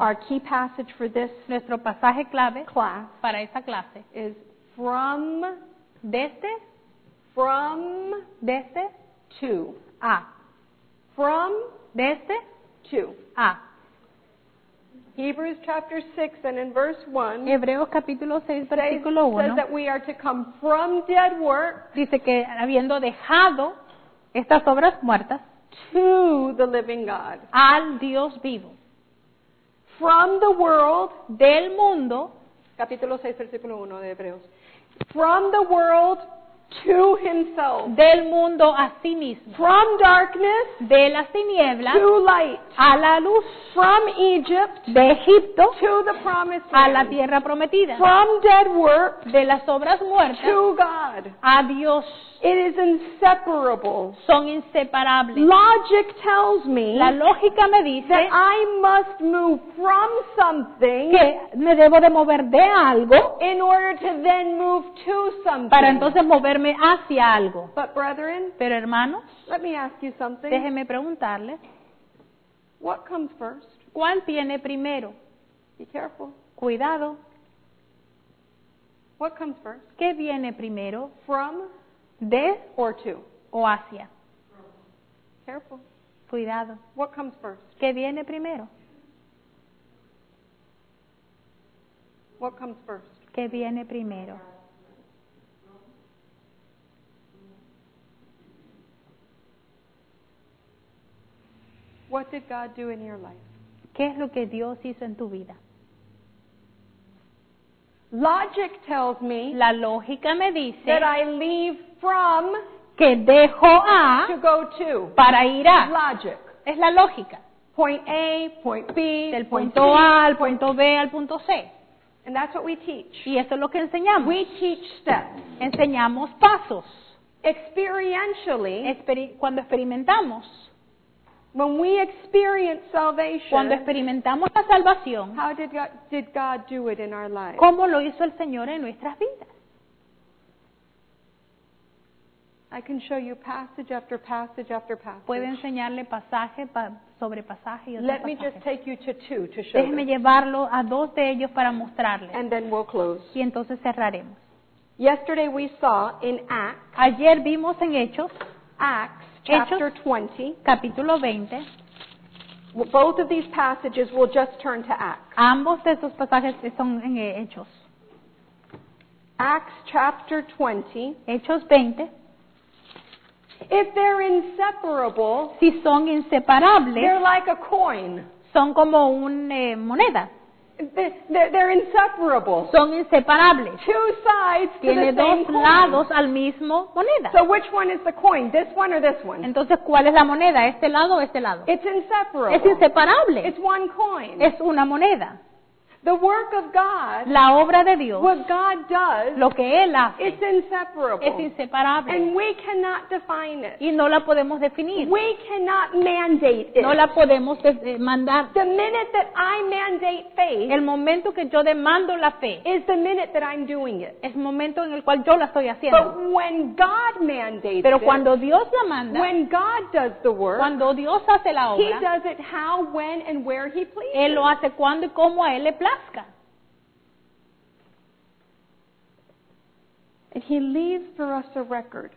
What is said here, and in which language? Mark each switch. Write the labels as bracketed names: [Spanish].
[English] Our key passage for this. [Spanish] Nuestro pasaje clave. [English] Class. [Spanish] Para esta clase. [English] Is from. [Spanish] Desde. [English] From [Spanish] desde [English] to [Spanish] a [English] from [Spanish] desde [English] to [Spanish] a [English] Hebrews chapter 6 and in verse 1 [Spanish] Hebreos capítulo 6 versículo 1 [English] says that we are to come from dead work [Spanish] dice que habiendo dejado estas obras muertas [English] to the living God [Spanish] al Dios vivo [English] from the world [Spanish] del mundo capítulo 6 versículo 1 de Hebreos [English] from the world to himself. [Spanish] Del mundo a sí mismo. [English] From darkness. [Spanish] De las tinieblas. [English] To light. [Spanish] A la luz. [English] From Egypt. [Spanish] De Egipto. [English] To the promised [Spanish] land. A la tierra prometida. [English] From dead work. [Spanish] De las obras muertas. [English] To God. [Spanish] A Dios. [English] It is inseparable. [Spanish] Son inseparables. [English] Logic tells me. [Spanish] La lógica me dice. [English] That I must move from something. [Spanish] Que me debo de mover de algo. [English] In order to then move to something. [Spanish] Para entonces moverme hacia algo. [English] But brethren. [Spanish] Pero hermanos. [English] Let me ask you something. [Spanish] Déjeme preguntarle. [English] What comes first? [Spanish] ¿Cuál viene primero? [English] Be careful. [Spanish] Cuidado. [English] What comes first? [Spanish] ¿Qué viene primero? [English] From. [Spanish] De [English] or to. [Spanish] O hacia. [English] Careful. [Spanish] Cuidado. [English] What comes first? [Spanish] ¿Qué viene primero? [English] What comes first? [Spanish] ¿Qué viene primero? [English] What did God do in your life? [Spanish] ¿Qué es lo que Dios hizo en tu vida? [English] Logic tells me. [Spanish] La lógica me dice. [English] That I leave from. [Spanish] Que dejo a. [English] To go to. [Spanish] Para ir a. [English] Logic. [Spanish] Es la lógica. [English] Point A, point B. [Spanish] Del punto A al punto B al punto C. [English] And that's what we teach. [Spanish] Y eso es lo que enseñamos. [English] We teach steps. [Spanish] Enseñamos pasos. [English] Experientially, [Spanish] cuando experimentamos, [English] when we experience salvation, [Spanish] cuando experimentamos la salvación, [English] how did God do it in our lives? [Spanish] ¿Cómo lo hizo el Señor en nuestras vidas? [English] I can show you passage after passage after passage. [Spanish] Puedo enseñarle pasaje sobre pasaje y otro [English] Let [Spanish] pasaje. [English] Me just take you to two to show. [Spanish] Déjeme llevarlo a dos de ellos para mostrarles. [English] And then we'll close. [Spanish] Y entonces cerraremos. [English] Yesterday we saw in Acts. [Spanish] Ayer vimos en Hechos. [English] Acts chapter 20. [Spanish] Capítulo 20. [English] Both of these passages will just turn to Acts. [Spanish] Ambos de esos pasajes son en Hechos. [English] Acts chapter 20. [Spanish] Hechos 20. [English] If they're inseparable, [Spanish] si son inseparables, [English] they're like a coin. [Spanish] Son como una moneda. [English] They're inseparable. [Spanish] Son inseparables. [English] Two sides to [Spanish] Tiene [English] the [Spanish] dos [English] same [Spanish] lados [English] coin. [Spanish] Al mismo moneda. [English] So which one is the coin? This one or this one? [Spanish] Entonces, ¿cuál es la moneda? ¿Este lado o este lado? [English] It's inseparable. [Spanish] Es inseparable. [English] It's one coin. [Spanish] Es una moneda. [English] The work of God, [Spanish] la obra de Dios, [English] what God does, [Spanish] lo que Él hace, [English] it's inseparable. [Spanish] Es inseparable. [English] And we cannot define it. [Spanish] Y no la podemos definir. [English] We cannot mandate it. [Spanish] No la podemos mandar. [English] The minute that I mandate faith, [Spanish] el momento que yo demando la fe, [English] is the minute that I'm doing it. [Spanish] Es el momento en el cual yo la estoy haciendo. [English] But when God mandates [Spanish] Pero cuando Dios la manda, [English] when God does the work, [Spanish] cuando Dios hace la obra, [English] He does it how, when, and where He pleases. [Spanish] Él lo hace cuando y cómo a Él le plazca. [English] And He leaves for us a record.